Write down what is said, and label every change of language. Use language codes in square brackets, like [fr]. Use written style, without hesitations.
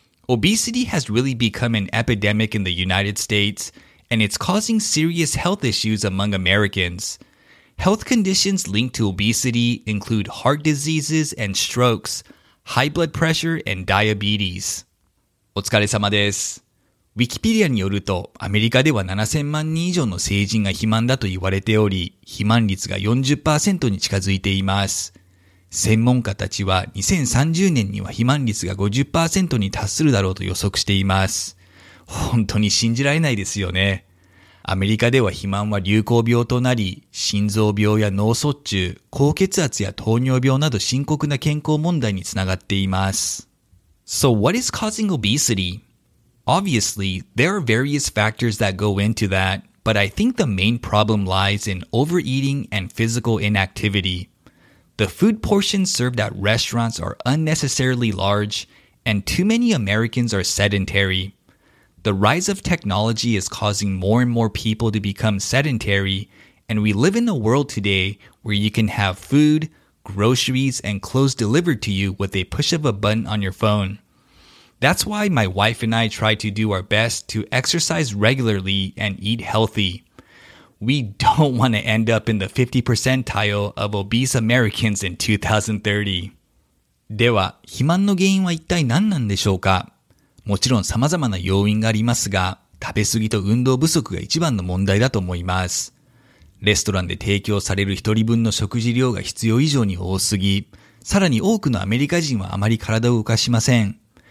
[en] Obesity has really become an epidemic in the United States, and it's causing serious health issues among Americans. Health conditions linked to obesity include heart diseases and strokes, high blood pressure and diabetes. [ja] お疲れ様です。ウィキペディアによると、アメリカでは7000万人以上の成人が肥満だと言われており、肥満率が 40% に近づいています。専門家たちは2030年には肥満率が 50% に達するだろうと予測しています。本当に信じられないですよね。アメリカでは肥満は流行病となり、心臓病や脳卒中、高血圧や糖尿病など深刻な健康問題につながっています。 [en] So what is causing obesity? Obviously, there are various factors that go into that, but I think the main problem lies in overeating and physical inactivity. The food portions served at restaurants are unnecessarily large, and too many Americans are sedentary. The rise of technology is causing more and more people to become sedentary, and we live in a world today where you can have food, groceries, and clothes delivered to you with a push of a button on your phone. That's why my wife and I try to do our best to exercise regularly and eat healthy. We don't want to end up in the 50 percentile of obese Americans in 2030. [ja] では、肥満の原因は一体何なんでしょうか？もちろん様々な要因がありますが、食べ過ぎと運動不足が一番の問題だと思います。レストランで提供される一人分の食事量が必要以上に多すぎ、さらに多くのアメリカ人はあまり体を動かしません。